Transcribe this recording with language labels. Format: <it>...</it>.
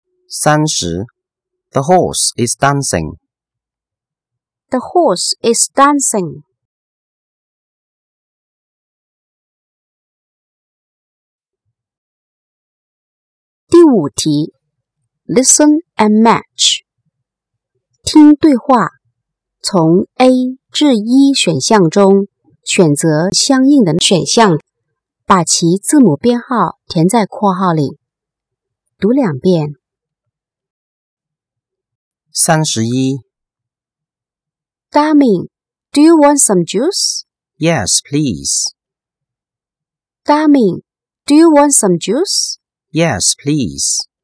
<en>30 The horse is dancing. The horse is dancing.</en> <zh>第5题</zh> <en>Listen and match.</en> <zh>听对话，从 A 至 E 选项中选择相应的选项，把其字母编号填在括号里，读两遍。 31</zh> <en>Darling, do you want some juice? Yes, please. Darling, do you want some juice? Yes, please.</en>